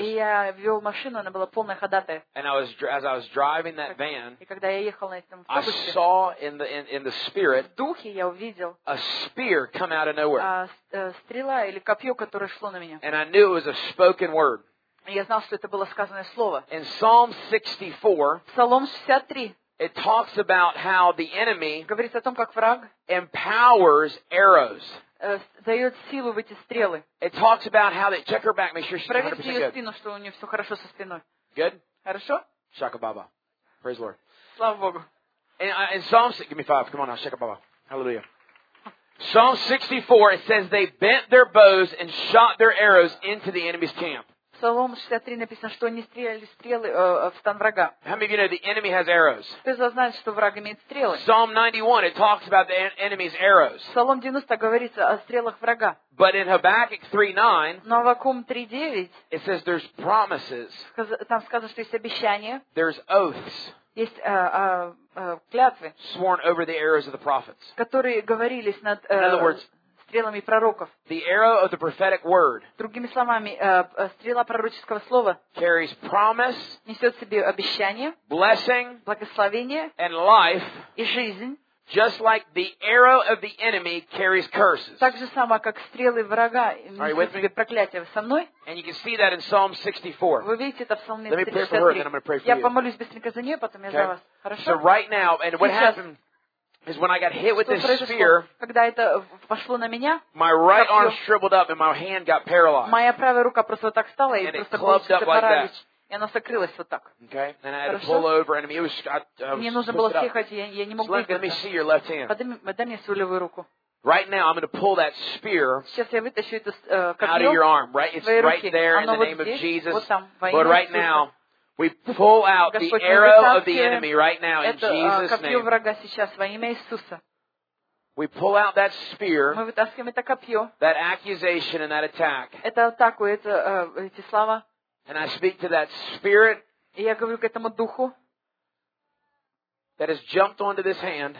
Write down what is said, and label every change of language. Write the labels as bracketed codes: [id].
[ru] И я вел машину, она была полная ходатая. [en] And I was, as I was driving that van, [ru] и когда я ехал на этом автобусе, [en] I saw in the spirit, [ru] в духе я увидел, [en] a spear come out of nowhere. [ru] Стрела или копье, которое шло на меня. [en] And I knew it was a spoken word. [ru] И я знал, что это было сказанное слово. [en] In Psalm 64, [ru] Псалом 63, [en] it talks about how the enemy [ru] говорит о том, как враг [en] empowers arrows. [ru] Дает силу в эти стрелы. [en] It talks about how they check her back, make sure she's 100% good. [ru] Проверьте ее спину, что у нее все хорошо со спиной. [en] Good? [ru] Хорошо? [en] Shaka Baba. Praise the Lord. [ru] Слава Богу. [en] In Psalm 64, give me five. Come on now, Shaka Baba. Hallelujah. Psalm 64, it says they bent their bows and shot their arrows into the enemy's camp. [ru] В Псалом 63 написано, что они стреляли стрелы в стан врага. [en] How many of you know the enemy has arrows? [ru] Ты знаешь, что враг имеет стрелы. [en] Psalm 91, it talks about the enemy's arrows. [ru] Псалом 90 говорится о стрелах врага. [en] But in Habakkuk 3:9, [ru] но Аввакум 3:9, [en] it says there's promises. [ru] Там сказано, что есть обещания. [en] There's oaths. [ru] Есть клятвы. [en] Sworn over the arrows of the prophets. [ru] Которые говорились над. [en] In other words, [ru] стрелами пророков. [en] The arrow of the prophetic word. [ru] Другими словами, стрела пророческого слова. [en] Carries promise. [ru] Несет в себе обещание. [en] Blessing. [ru] Благословение. [en] And life. [ru] И жизнь. [en] Just like the arrow of the enemy carries curses. [ru] Так же само, как стрелы врага несет в себе проклятие. Со мной? [en] And you can see that in Psalm 64. [ru] Вы видите это в Псалме [en] Let me pray for her, then I'm going to pray for you. [ru] Я помолюсь быстренько за нее, потом я за вас. Хорошо? [en] So right now, and what happened? Is when I got hit with this spear. [ru] Когда это пошло на меня? [en] My right arm shriveled up and my hand got paralyzed. [ru] Моя правая рука просто так стала и просто клубилась в паралич. И она сокрылась вот так. [en] Okay. And I had to pull over, and [ru] мне нужно было съехать, я не мог двигаться. [en] Let me see your left hand. [ru] Подай мне свою левую руку. [en] Right now, I'm going to pull that spear out of your arm. Right, it's right there in the name of Jesus. But right now. We pull out the arrow of the enemy right now in Jesus' name. [ru] Врага сейчас во имя Иисуса. [en] We pull out that spear. [ru] Мы вытаскиваем это копье. [en] That accusation and that attack. [ru] Это атаку, это эти слова. [en] And I speak to that spirit. [ru] И я говорю к этому духу. [en] That has jumped onto this hand.